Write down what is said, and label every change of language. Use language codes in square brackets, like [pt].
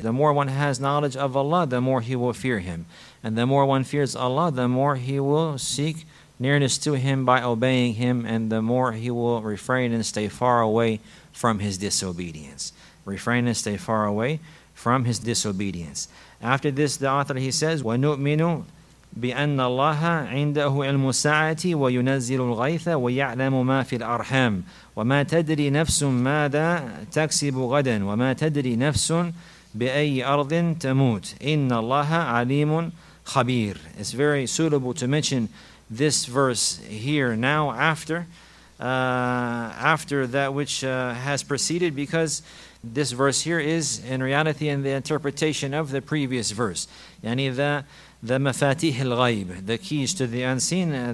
[en] The more one has knowledge of Allah, the more he will fear Him. And the more one fears Allah, the more he will seek nearness to Him by obeying Him, and the more he will refrain and stay far away from his disobedience. Refrain and stay far away from his disobedience. After this, the author, he says, [ar] وَنُؤْمِنُ بِأَنَّ اللَّهَ عِنْدَهُ الْمُسَاعَةِ وَيُنَزِّلُ الْغَيْثَ وَيَعْلَمُ مَا فِي الْأَرْحَامِ وَمَا تَدْرِي نَفْسٌ مَاذَا تَكْسِبُ غَدًا وَمَا تَدْرِي نَفْسٌ بِأَيِّ أَرْضٍ تَمُوتُ إِنَّ اللَّهَ عَلِيمٌ خَبِيرٌ. [en] It's very suitable to mention this verse here now after that which has preceded, because this verse here is in reality in the interpretation of the previous verse. Yani the mafatih al-ghayb, the keys to the unseen.